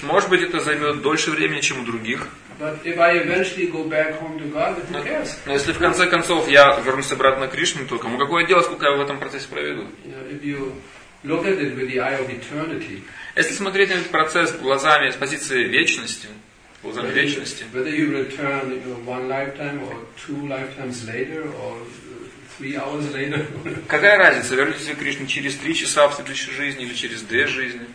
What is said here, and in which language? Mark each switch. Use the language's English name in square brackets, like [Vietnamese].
[Russian] Может быть, это займет дольше времени, чем у других. [English] But if I eventually go back home to God, who cares? [Russian] Но если в конце концов я вернусь обратно к Кришне, то кому какое дело, сколько я в этом процессе проведу? [English] If you look at it with the eye of eternity. [Russian] Если смотреть на этот процесс глазами с позиции вечности. Глазами вечности. [English] Whether you return one lifetime or two lifetimes later or 3 hours later. [Russian] Какая разница, вернетесь вы к Кришне через 3 часа в следующей жизни или через 2 жизни?